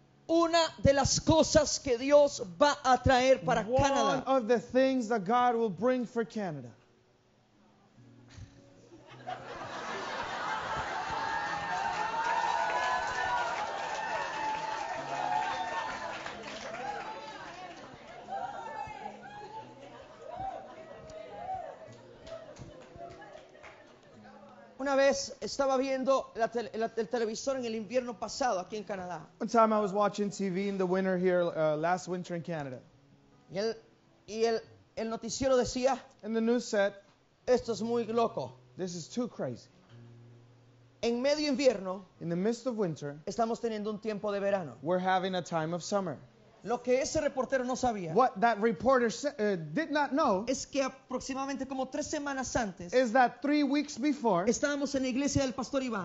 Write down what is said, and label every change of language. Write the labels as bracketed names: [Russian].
[Spanish] Una de las cosas que Dios va a traer para Canadá. [English] One of the things that God will bring for Canada. [Spanish] Una vez estaba viendo el televisor en el invierno pasado aquí en Canadá. [English] One time I was watching TV in the winter here, last winter in Canada. [Spanish] Y el noticiero decía, [English] and the news said, [Spanish] esto es muy loco. [English] This is too crazy. [Spanish] En medio invierno, [English] in the midst of winter, [Spanish] estamos teniendo un tiempo de verano. [English] We're having a time of summer. [Spanish] Lo que ese reportero no sabía, [English] what that reporter did not know, [Spanish] es que aproximadamente como tres semanas antes, [English] is that 3 weeks before, [Spanish] estábamos en la iglesia del pastor Iván.